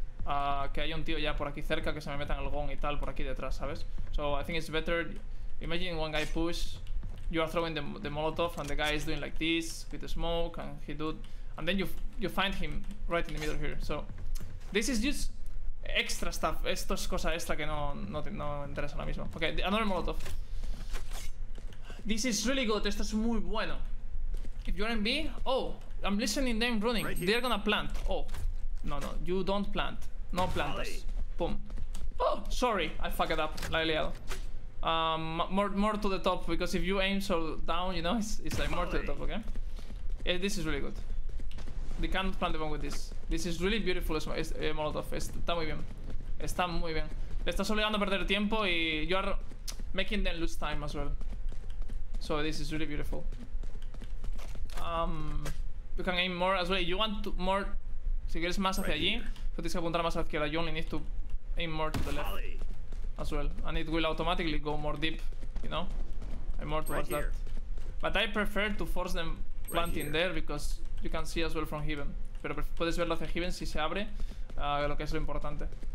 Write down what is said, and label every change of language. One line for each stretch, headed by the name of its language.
Spanish: Que hay un tío ya por aquí cerca que se me meta en el gong y tal por aquí detrás, ¿sabes?
English: So I think it's better. Imagine one guy push, you are throwing the molotov and the guy is doing like this with the smoke and he do, and then you find him right in the middle here. So this is just extra stuff.
Spanish: Esto es cosa extra que no interesa ahora mismo.
English: Okay, another molotov. This is really good.
Spanish: Esto es muy bueno.
English: If you're in B, oh, I'm listening them running. Right, they're gonna plant. Oh. No, you don't plant.
Spanish: No plantas.
English: Boom. Oh, sorry, I fucked it up.
Spanish: La he liado.
English: More to the top, because if you aim so down, you know, it's like more to the top, okay? Yeah, this is really good. They can't plant the bomb with this. This is really beautiful, Molotov.
Spanish: Está muy bien. Está muy bien. Le estás obligando a perder tiempo y
English: you are making them lose time as well. So this is really beautiful. You can aim more as well. You want to more...
Spanish: Si quieres más hacia allí, tú tienes que apuntar más a la izquierda.
English: You only need to aim more to the left as well. And it will automatically go more deep, you know? I'm more towards right that. But I prefer to force them planting right there because you can see as well from heaven.
Spanish: Pero puedes verlo hacia heaven si se abre, lo que es lo importante.